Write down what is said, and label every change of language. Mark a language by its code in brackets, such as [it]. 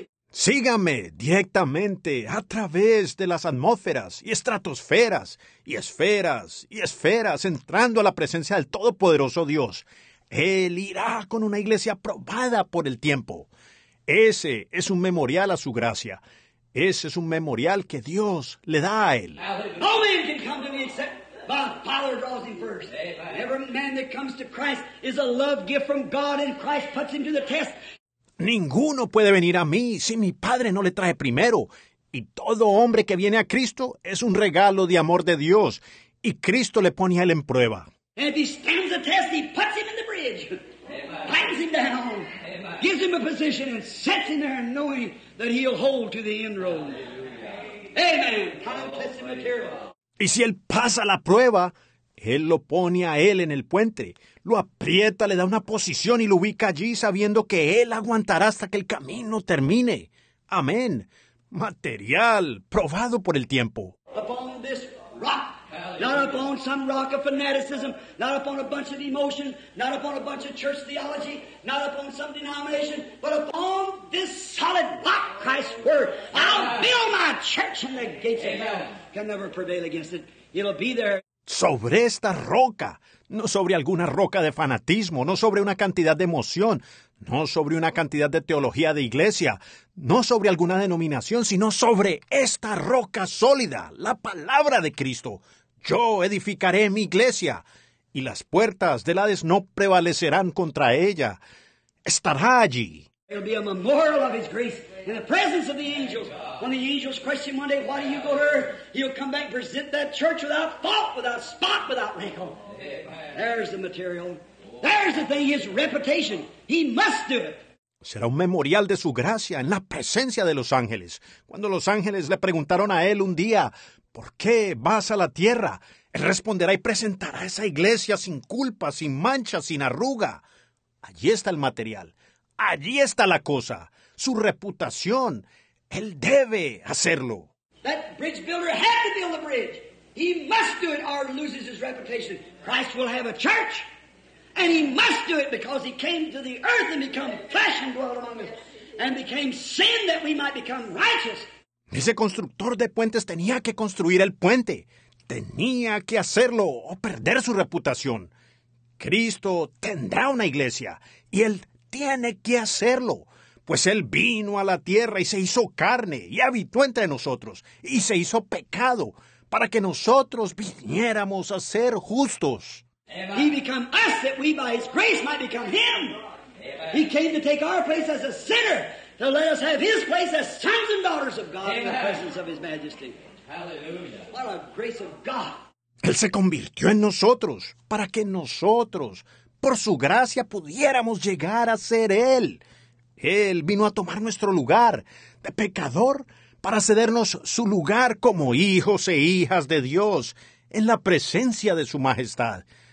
[es] Sígame directamente a través de las atmósferas y estratosferas y esferas y esferas entrando a la presencia del Todopoderoso Dios. Él irá con una iglesia probada por el tiempo. Ese es un memorial a su gracia. Ese es un memorial que Dios le da a él. [en] No man can come to me except by the Father draws him first. Every man that comes to Christ is a love gift from God, and Christ puts him to the test. [es] Ninguno puede venir a mí si mi Padre no le trae primero. Y todo hombre que viene a Cristo es un regalo de amor de Dios. Y Cristo le pone a él en prueba. [en] And if he stands the test, he puts him in the bridge. Plants him down. Amen. Gives him a position and sets him there knowing that he'll hold to the end road. Amen. Time-tested material. [es] Y si él pasa la prueba, él lo pone a él en el puente. Lo aprieta, le da una posición y lo ubica allí sabiendo que él aguantará hasta que el camino termine. Amén. Material probado por el tiempo. [en] Upon this rock. Not upon some rock of fanaticism, not upon a bunch of emotion, not upon a bunch of church theology, not upon some denomination, but upon this solid rock, Christ's word. I'll build my church and the gates of hell can never prevail against it. It'll be there. [es] Sobre esta roca, no sobre alguna roca de fanatismo, no sobre una cantidad de emoción, no sobre una cantidad de teología de iglesia, no sobre alguna denominación, sino sobre esta roca sólida, la palabra de Cristo. Yo edificaré mi iglesia, y las puertas del Hades no prevalecerán contra ella. Estará allí. [en] It'll be a memorial of his grace in the presence of the angels. When the angels question one day, why do you go to earth? He'll come back and present that church without fault, without spot, without wrinkle. There's the material. There's the thing, his reputation. He must do it. [es] Será un memorial de su gracia en la presencia de los ángeles. Cuando los ángeles le preguntaron a él un día, ¿por qué vas a la tierra? Él responderá y presentará esa iglesia sin culpa, sin mancha, sin arruga. Allí está el material. Allí está la cosa. Su reputación. Él debe hacerlo. [en] That bridge builder had to build the bridge. He must do it or loses his reputation. Christ will have a church. And he must do it because he came to the earth and become flesh and dwelt among us. And became sin that we might become righteous. [es] Ese constructor de puentes tenía que construir el puente. Tenía que hacerlo o perder su reputación. Cristo tendrá una iglesia, y Él tiene que hacerlo, pues Él vino a la tierra y se hizo carne, y habitó entre nosotros, y se hizo pecado, para que nosotros viniéramos a ser justos. [en] He became us that we by His grace might become Him. He came to take our place as a sinner, to let us have His place as sons and daughters of God in the presence of His majesty. Hallelujah. What a grace of God. [es] Él se convirtió en nosotros para que nosotros, por su gracia, pudiéramos llegar a ser Él. Él vino a tomar nuestro lugar de pecador para cedernos su lugar como hijos e hijas de Dios en la presencia de su majestad.